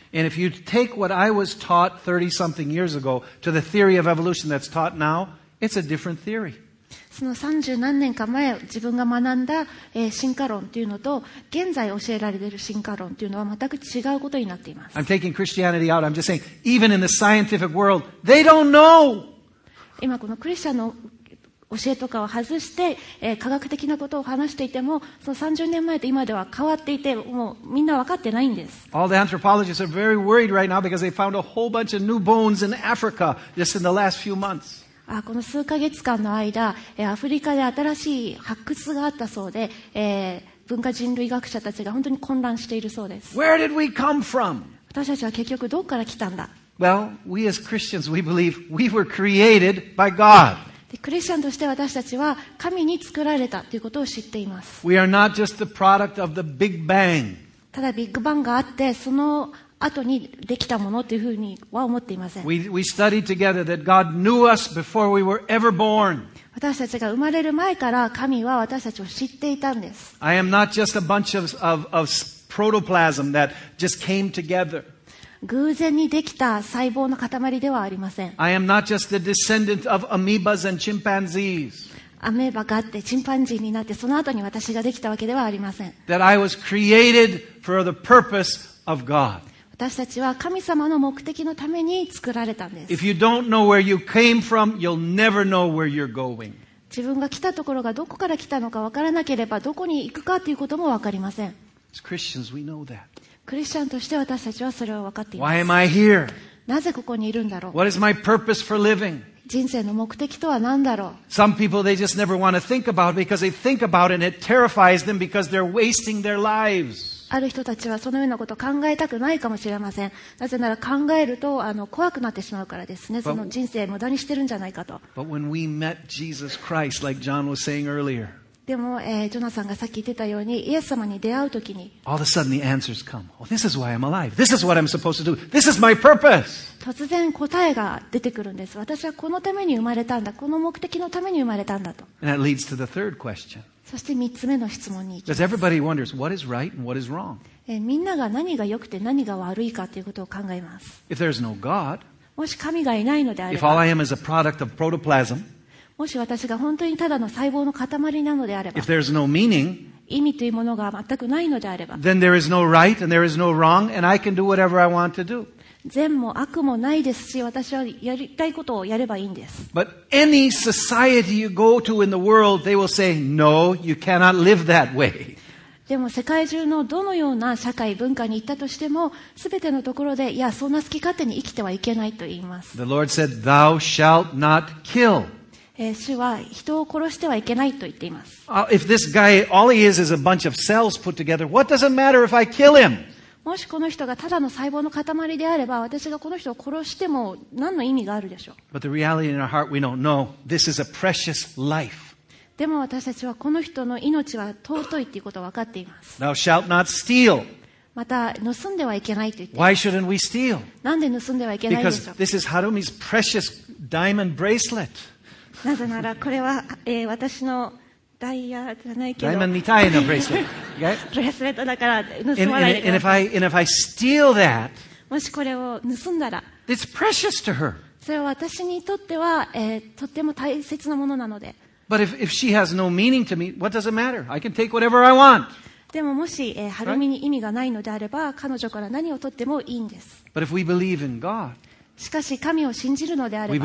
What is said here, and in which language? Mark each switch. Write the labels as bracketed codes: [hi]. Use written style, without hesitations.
[en] And if you take what I was taught 30-something years ago to the theory of evolution that's taught now, it's a different theory. [ja] その三十何年か前自分が学んだ進化論というのと現在教えられている進化論というのは全く違うことになっています。 [en] I'm taking Christianity out. I'm just saying, even in the scientific world, they don't know. [ja] 今このクリスチャンの教えとかを外して科学的なことを話していてもその30年前と今では変わっていてもうみんな分かってないんです。 [en] All the anthropologists are very worried right now because they found a whole bunch of new bones in Africa just in the last few months. [ja] この数ヶ月間の間、アフリカで新しい発掘があったそうで、文化人類学者たちが本当に混乱しているそうです。 [en] Where did we come from? [ja] 私たちは結局どこから来たんだ。 [en] Well, we as Christians, we believe we were created by God. [ja] クリスチャンとして私たちは神に作られたということを知っています。 [en] We are not just the product of the Big Bang. [ja] ただビッグバンがあって、その後にできたものというふうには思っていません。 [en] We studied together that God knew us before we were ever born. [ja] 私たちが生まれる前から神は私たちを知っていたんです。 [en] I am not just a bunch of protoplasm that just came together. [ja] 偶然にできた細胞の塊ではありません。 [en] I am not just the descendant of amoebas and chimpanzees. [ja] アメーバがあってチンパンジーになってその後に私ができたわけではありません。 [en] That I was created for the purpose of God. [ja] 私たちは神様の目的のために作られたんです。 [en] If you don't know where you came from, you'll never know where you're going. [ja] 自分が来たところがどこから来たのか分からなければどこに行くかということも分かりません。 [en] As Christians, we know that. [ja] クリスチャンとして私たちはそれを分かっています。 [en] Why am I here? [ja] なぜここにいるんだろう。 [en] What is my purpose for living? [ja] 人生の目的とは何だろう。 [en] Some people they just never want to think about because they think about it and it terrifies them because they're wasting their lives. [ja] ある人たちはそのようなことを考えたくないかもしれません。なぜなら考えると怖くなってしまうからですね。その人生を無駄にしてるんじゃないかと。 [en] But when we met Jesus Christ, like John was saying earlier, [ja] でも、ジョナサンがさっき言ってたように、イエス様に出会うときに、 [en] All of a sudden the answers come. Oh, this is why I'm alive. This is what I'm supposed to do. This is my purpose. [ja] 突然答えが出てくるんです。私はこのために生まれたんだ。この目的のために生まれたんだと。 [en] And that leads to the third question. [ja] そして三つ目の質問に行きます。 [en] Because everybody wonders what is right and what is wrong. [ja] みんなが何が良くて何が悪いかということを考えます。 [en] If there's no God, [ja] もし神がいないのであれば、 [en] If all I am is a product of protoplasm, [ja] もし私が本当にただの細胞の塊なのであれば、 [en] If there's no meaning, [ja] 意味というものが全くないのであれば、 [en] then there is no right and there is no wrong and I can do whatever I want to do. [ja] 善も悪もないですし、私はやりたいことをやればいいんです。 [en] But any society you go to in the world, they will say, no, you cannot live that way. [ja] でも世界中のどのような社会文化に行ったとしても、すべてのところで、いや、そんな好き勝手に生きてはいけないと言います。 [en] The Lord said, thou shalt not kill. [ja] 主は人を殺してはいけないと言っています。 [en] If this guy, all he is a bunch of cells put together, what does it matter if I kill him? [ja] もしこの人がただの細胞の塊であれば、私がこの人を殺しても何の意味があるでしょう。 [en] But the reality in our heart, we don't know. This is a precious life. [ja] でも私たちはこの人の命は尊いっていうことを分かっています。 [en] Thou shalt not steal. [ja] また盗んではいけないと言っています [en] 。 Why shouldn't we steal? [ja] なんで盗んではいけないんでしょう。 [en] Because this is Harumi's precious diamond bracelet. [ja] なぜならこれは、私のダイヤじゃないけど、ダイヤみたいなブレスレット、okay? ブレスレットだから盗まないでください。 [en] and if I steal that, [ja] もしこれを盗んだら、 [en] it's precious to her. [ja] それは私にとっては、とっても大切なものなので。 [en] But if she has no meaning to me, what does it matter? I can take whatever I want. [ja] でももし、ハルミに意味がないのであれば、彼女から何を取ってもいいんです。 [en] But if we believe in God, [ja] しかし神を信じるのであれば、